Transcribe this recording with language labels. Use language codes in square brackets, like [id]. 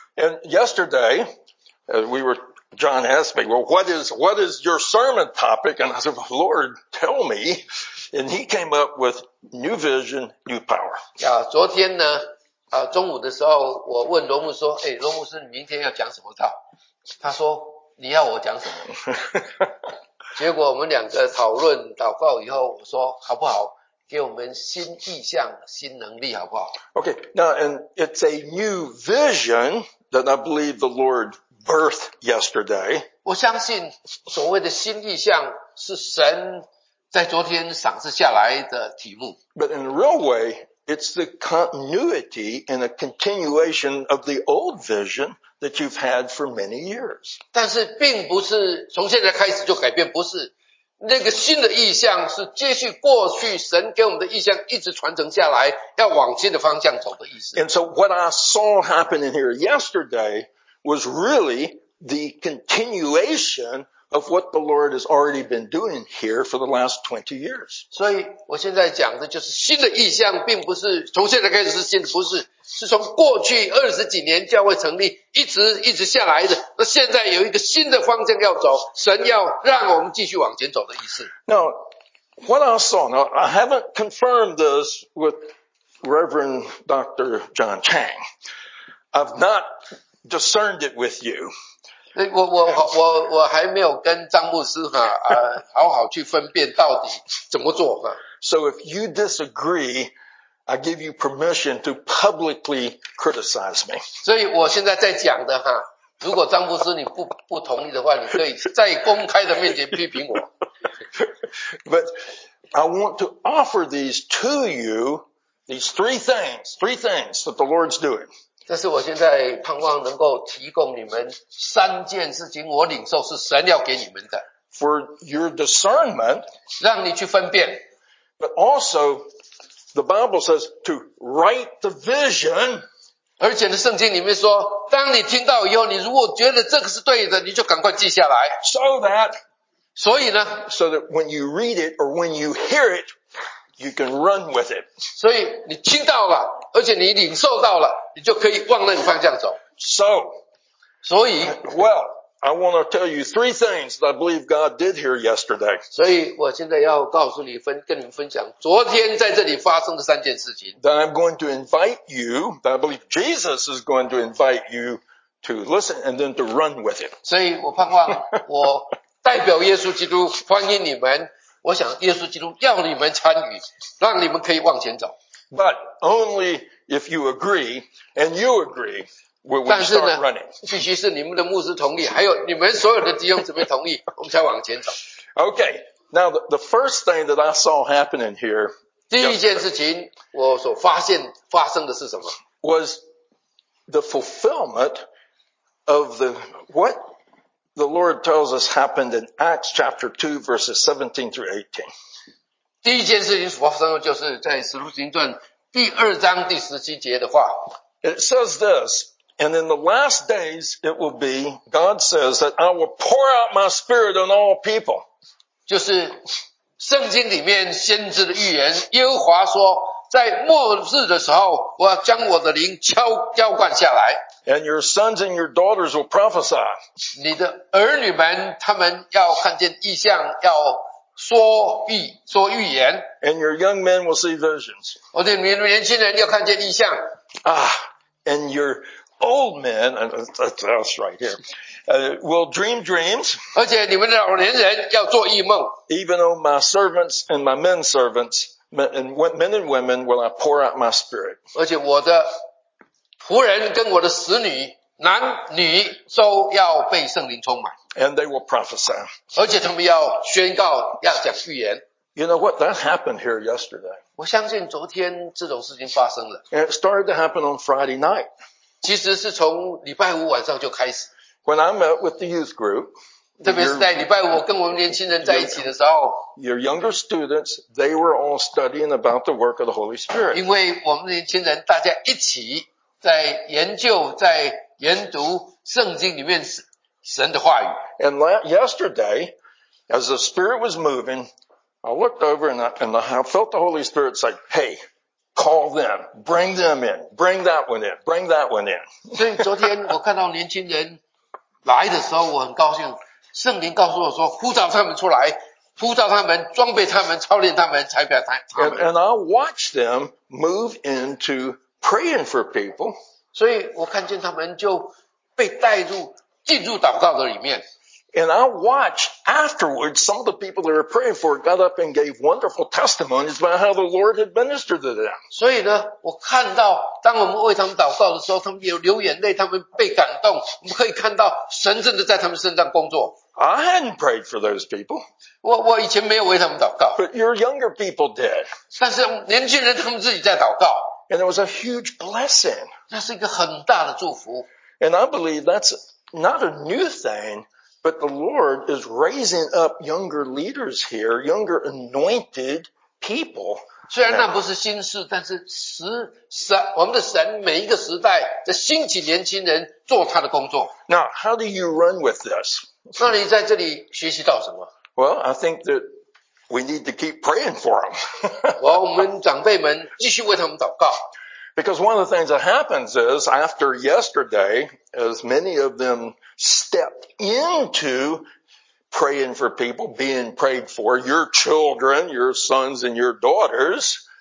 [en] And yesterday, we were, John asked me, well, what is your sermon topic? And I said, well, Lord, tell me. And he came up with new vision, new power. [zh] 昨天呢，中午的时候，我问罗牧师说，罗牧师，你明天要讲什么道？他说，你要我讲什么？结果我们两个讨论祷告以后，我说，好不好？给我们新意向，新能力，好不好？ [en] Okay, now, and it's a new vision that I believe the Lord birthed yesterday. [zh] 我相信所谓的新意向是神在昨天赏赐下来的题目。 [en] But in a real way, it's the continuity and a continuation of the old vision that you've had for many years. [zh] 但是并不是从现在开始就改变，不是。那个新的意象是继续过去神给我们的意象一直传承下来要往新的方向走的意思。 [en] And so what I saw happening here yesterday was really the continuation of what the Lord has already been doing here for the last 20 years. [zh] 所以我现在讲的就是新的意象并不是从现在开始是新的不是是从过去二十几年教会成立一直一直下来的那现在有一个新的方向要走神要让我们继续往前走的意思。 [en] Now, what I saw, now, I haven't confirmed this with Reverend Dr. John Chang. I've not discerned it with you. [zh] 我还没有跟张牧师哈好好去分辨到底怎么做哈。 [en] So if you disagree, I give you permission to publicly criticize me. [zh] 所以我现在在讲的哈如果张牧师你不同意的话你可以在公开的面前批评我。 [en] But I want to offer these to you, these three things that the Lord's doing. [zh] 这是我现在盼望能够提供你们三件事情我领受是神要给你们的。 [en] For your discernment, [zh] 让你去分辨。 [en] But also, the Bible says to write the vision, [zh] 而且呢圣经里面说当你听到以后你如果觉得这个是对的你就赶快记下来。 [en] So that, [zh] 所以呢 [en] so that when you read it or when you hear it, you can run with it. [zh] 所以你听到了而且你领受到了你就可以往那个方向走。所以 [en] Well, I want to tell you three things that I believe God did here yesterday. [zh] 所以我现在要告诉你跟你分享昨天在这里发生的三件事情。 [en] That I'm going to invite you, that I believe Jesus is going to invite you to listen and then to run with it. [zh] 所以我盼望我代表耶稣基督欢迎你们我想耶稣基督要你们参与让你们可以往前走。 [en] But only if you agree and you agree will we start running. [zh] 必须是你们的牧师同意还有你们所有的弟兄姊妹同意我们才往前走。 [en] Okay, now the first thing that I saw happening here [zh] 第一件事情我所发现发生的是什么 [en] was the fulfillment of the what the Lord tells us happened in Acts chapter 2 verses 17 through 18. [zh] 第一件事情发生的就是在《使徒行传》第二章第十七节的话。 [en] It says this, and in the last days it will be, God says that I will pour out my spirit on all people. [zh] 就是圣经里面先知的预言，耶和华说，在末日的时候，我要将我的灵浇灌下来。 [en] And your sons and your daughters will prophesy. [zh] 你的儿女们，他们要看见异象，要说预言 [en] and your young men will see visions. [zh] 我的年轻人要看见异象 [en] Ah, and your old men, that's right here, will dream dreams. [zh] 而且你们的老年人要做异梦 [en] Even on my servants and my men servants, men and women, will I pour out my spirit. [zh] 而且我的仆人跟我的使女男女都要被圣灵充满。 [en] And they will prophesy. [zh] 而且他们要宣告要讲预言。 [en] You know what? That happened here yesterday. [zh] 我相信昨天这种事情发生了。 [en] And it started to happen on Friday night. [zh] 其实是从礼拜五晚上就开始。 [en] When I met with the youth group, [zh] 特别是在礼拜五我跟我们年轻人在一起的时候 [en] your younger students, they were all studying about the work of the Holy Spirit. [zh] 因为我们年轻人大家一起在研究在研读圣经里面神的话语。 [en] And yesterday, as the Spirit was moving, I looked over and I felt the Holy Spirit say, hey, call them in, bring that one in. [zh] 所以昨天我看到年轻人来的时候我很高兴圣灵告诉我说呼召他们出来呼召他们装备他们操练他们才表他们。 [en] And I watched them move into praying for people, [zh] 所以我看见他们就被带入进入祷告的里面。 [en] And I watched afterwards some of the people that were praying for got up and gave wonderful testimonies about how the Lord had ministered to them. [zh] 所以呢我看到当我们为他们祷告的时候他们有流眼泪他们被感动我们可以看到神真的在他们身上工作。 [en] I hadn't prayed for those people. [zh] 我以前没有为他们祷告。 [en] But your younger people did. [zh] 但是年轻人他们自己在祷告。 [en] And it was a huge blessing. [zh] 那是一个很大的祝福。 [en] And I believe that's not a new thing But the Lord is raising up younger leaders here, younger anointed people. [zh] 虽然那不是新事，但是神每一个时代的兴起年轻人做他的工作。 [en] Now, how do you run with this? [zh] 那你在这里学习到什么？ [en] Well, I think that we need to keep praying for them. [zh] 我们长辈们继续为他们祷告。 [en] Because one of the things that happens is, after yesterday, as many of them stepped into praying for people, being prayed for, your children, your sons and your daughters.